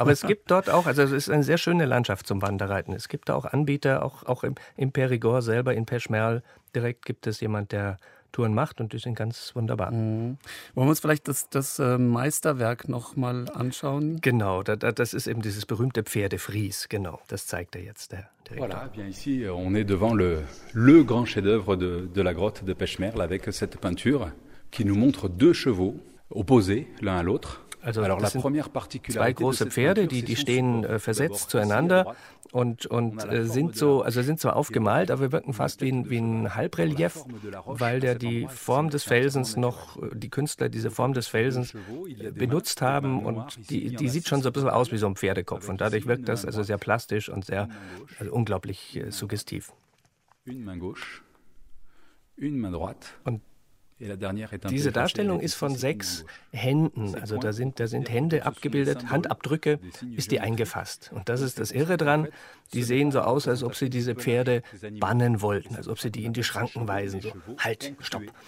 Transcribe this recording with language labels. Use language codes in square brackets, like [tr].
[de] Aber es gibt dort auch, also es ist eine sehr schöne Landschaft zum Wanderreiten. Es gibt da auch Anbieter, auch im Périgord selber, in Peschmerl direkt gibt es jemand, der Touren macht und die sind ganz wunderbar. Mhm. Wollen wir uns vielleicht das Meisterwerk nochmal anschauen? Genau, das ist eben dieses berühmte Pferdefries, genau, das zeigt er jetzt, der Direktor. [fr] Voilà, bien ici, on est devant le grand chef-d'œuvre de la grotte de Peschmerl avec cette peinture qui nous montre deux chevaux opposés l'un à l'autre. [de] Also das sind zwei große Pferde, die stehen versetzt zueinander und sind zwar aufgemalt, aber wirken fast wie ein Halbrelief, weil der die Form des Felsens noch, die Künstler diese Form des Felsens benutzt haben und die sieht schon so ein bisschen aus wie so ein Pferdekopf und dadurch wirkt das also sehr plastisch und sehr, also unglaublich suggestiv. [fr] Une main gauche, une main droite. [de] Und diese Darstellung ist von 6 Händen, also da sind Hände abgebildet, Handabdrücke ist die eingefasst. Und das ist das Irre dran, die sehen so aus, als ob sie diese Pferde bannen wollten, als ob sie die in die Schranken weisen, so, halt, stopp.